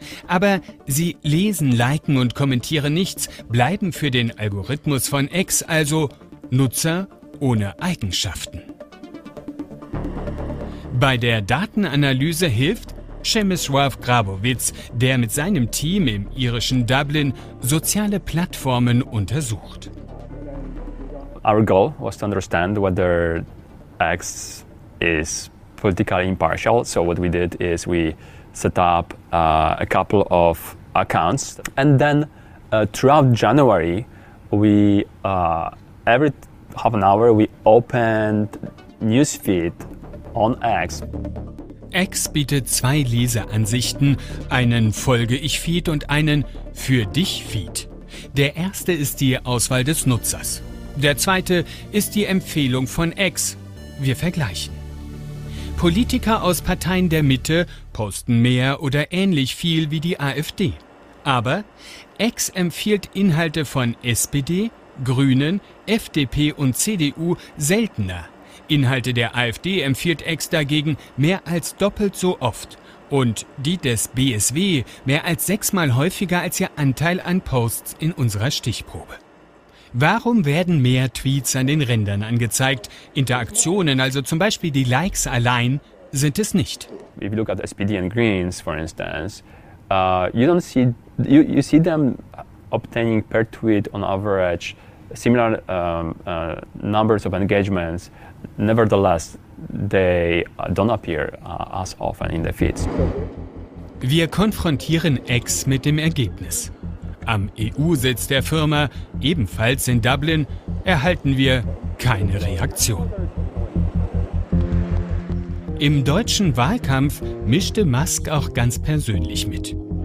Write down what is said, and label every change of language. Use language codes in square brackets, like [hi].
[de] Aber sie lesen, liken und kommentieren nichts, bleiben für den Algorithmus von X also Nutzer ohne Eigenschaften. Bei der Datenanalyse hilft Przemysław Grabowicz, der mit seinem Team im irischen Dublin soziale Plattformen untersucht. [en] Our goal was to understand whether X is politically impartial. So what we did is we set up a couple of accounts, and then throughout January, we every half an hour we opened newsfeed on X. [de] X bietet zwei Leseansichten, einen Folge ich Feed und einen Für dich Feed. Der erste ist die Auswahl des Nutzers. Der zweite ist die Empfehlung von X. Wir vergleichen. Politiker aus Parteien der Mitte posten mehr oder ähnlich viel wie die AfD. Aber X empfiehlt Inhalte von SPD, Grünen, FDP und CDU seltener. Inhalte der AfD empfiehlt X dagegen mehr als doppelt so oft. Und die des BSW mehr als 6-mal häufiger als ihr Anteil an Posts in unserer Stichprobe. Warum werden mehr Tweets an den Rändern angezeigt? Interaktionen, also zum Beispiel die Likes allein, sind es nicht. [en] If you look at SPD and Greens, for instance, you see them obtaining per tweet on average similar numbers of engagements. Nevertheless, they don't appear as often in the feeds. [de] Wir konfrontieren X mit dem Ergebnis. Am EU-Sitz der Firma, ebenfalls in Dublin, erhalten wir keine Reaktion. Im deutschen Wahlkampf mischte Musk auch ganz persönlich mit.